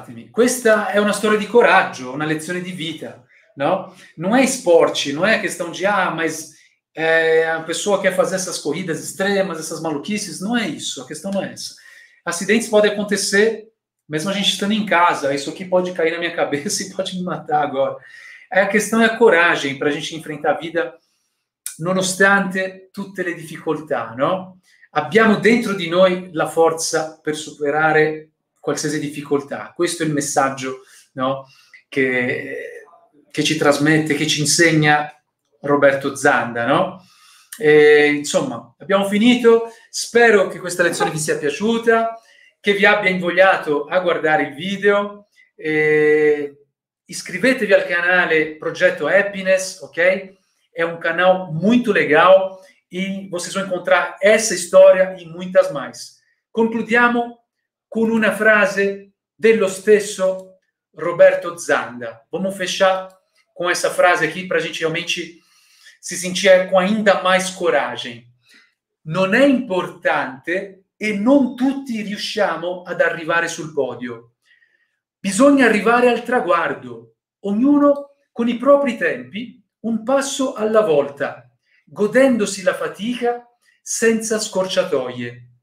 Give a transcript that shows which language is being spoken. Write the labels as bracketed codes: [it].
[it] Questa è una storia di coraggio, una lezione di vita. No? [pt] Não é esporte, não é questão de a pessoa quer fazer essas corridas extremas, essas maluquices, não é isso, a questão não é essa. Acidentes podem acontecer mesmo a gente estando em casa, isso aqui pode cair na minha cabeça e pode me matar agora. A questão é a coragem para a gente enfrentar a vida nonostante tutte le difficoltà, no? [it] Abbiamo dentro di noi la forza per superare qualsiasi difficoltà. Questo è il messaggio, no? Che ci trasmette, che ci insegna Roberto Zanda, no? E, insomma, abbiamo finito. Spero che questa lezione vi sia piaciuta, che vi abbia invogliato a guardare il video. E iscrivetevi al canale Progetto Happiness, ok? [pt] é um canal muito legal e vocês vão encontrar essa história e muitas mais. [it] Concludiamo com uma frase dello stesso Roberto Zanda. [pt] Vamos fechar com essa frase aqui para a gente realmente se sentir com ainda mais coragem. [it] Non è importante e non tutti riusciamo ad arrivare sul podio. Bisogna arrivare al traguardo, ognuno con i propri tempi, un passo alla volta, godendosi la fatica senza scorciatoie.